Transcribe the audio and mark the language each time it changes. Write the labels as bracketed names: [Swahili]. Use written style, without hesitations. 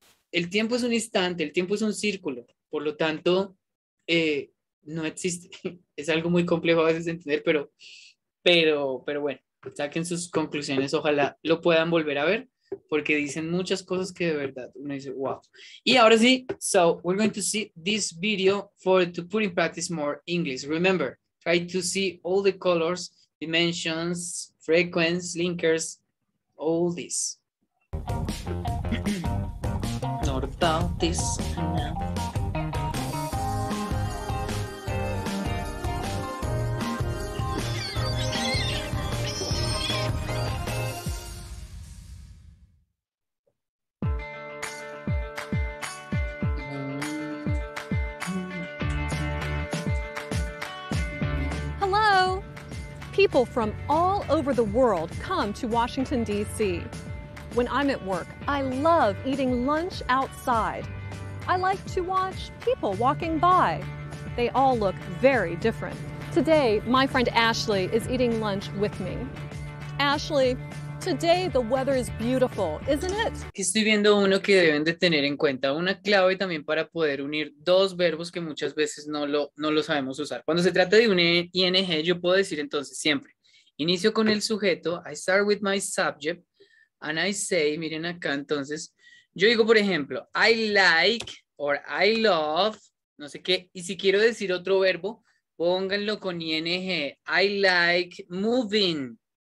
[Spanish] El tiempo es un instante, el tiempo es un círculo, por lo tanto, no existe. Es algo muy complejo a veces de entender, pero bueno, saquen sus conclusiones, ojalá lo puedan volver a ver, porque dicen muchas cosas que de verdad uno dice, wow. Y ahora sí, [English] so we're going to see this video to put in practice more English. Remember, try to see all the colors, dimensions, frequency, linkers, all this. Not about this now. People from all over the world come to Washington, D.C. When I'm at work, I love eating lunch outside. I like to watch people walking by. They all look very different. Today, my friend Ashley is eating lunch with me. Ashley, today the weather is beautiful, isn't it? [Spanish] Estoy viendo uno que deben de tener en cuenta, una clave también para poder unir dos verbos que muchas veces no lo sabemos usar. Cuando se trata de un ing, yo puedo decir entonces siempre, inicio con el sujeto, [English] I start with my subject, and I say, [Spanish] miren acá entonces, yo digo por ejemplo, [English] I like, or I love, [Spanish] no sé qué, y si quiero decir otro verbo, pónganlo con ing, [English] I like moving.